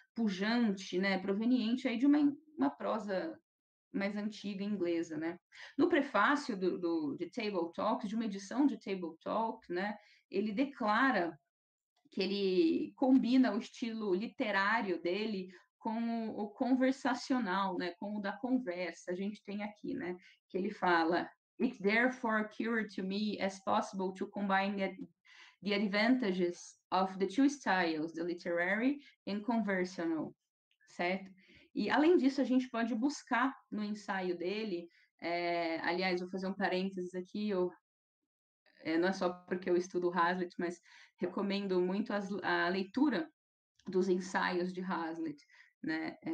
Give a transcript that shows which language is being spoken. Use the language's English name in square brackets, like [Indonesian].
[Portuguese] Pujante, né? Proveniente aí de uma prosa mais antiga inglesa, né? No prefácio de Table Talk, de uma edição de Table Talk, né? Ele declara que ele combina o estilo literário dele com o conversacional, né? Com o da conversa. A gente tem aqui, né? Que ele fala: [English] "It therefore occurred to me as possible to combine the advantages of the two styles, the literary and conversational." [Portuguese] Certo? E, além disso, a gente pode buscar no ensaio dele, aliás, vou fazer um parênteses aqui, não é só porque eu estudo Hazlitt, mas recomendo muito a leitura dos ensaios de Hazlitt, né?